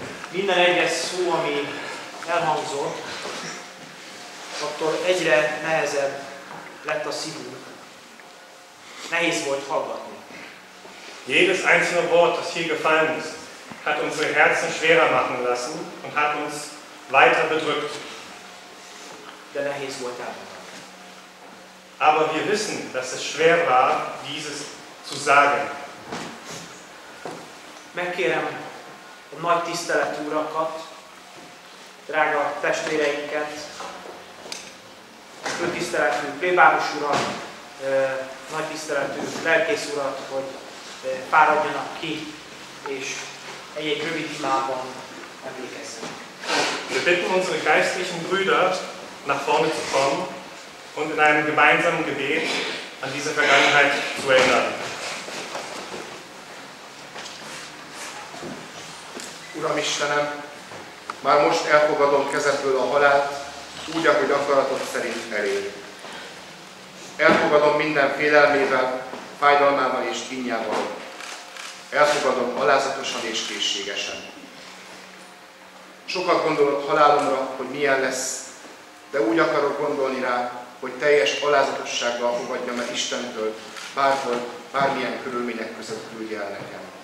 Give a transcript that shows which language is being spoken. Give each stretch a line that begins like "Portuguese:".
Hungarian: Minden egyes szó, ami elhangzott, attól egyre nehezebb lett a szívünk. Nehéz volt hallgatni.
German: Jedes einzelne Wort, das hier gefallen ist, hat unsere Herzen schwerer machen lassen und hat uns weiter bedrückt.
Hungarian: De nehéz volt elmondani.
German: Aber wir wissen, dass es schwer war, dieses zu sagen.
Hungarian: Megkérem a nagy tiszteletű urakat, drága testvéreinket, főtiszteletű plébános urat, nagy tiszteletű lelkész urat, hogy fáradjanak ki, és egyéb rövid imában emlékezzenek.
German: Wir bitten unsere geistlichen Brüder, nach vorne zu kommen und in einem gemeinsamen Gebet an diese Vergangenheit zu erinnern.
Hungarian: Uram Istenem, már most elfogadom kezedből a halált, úgy, ahogy akaratod szerint elér. Elfogadom minden félelmével, fájdalmával és kínjával. Elfogadom alázatosan és készségesen. Sokat gondolok halálomra, hogy milyen lesz, de úgy akarok gondolni rá, hogy teljes alázatossággal fogadjam el Istentől, bárhol, bármilyen körülmények között küldje el nekem.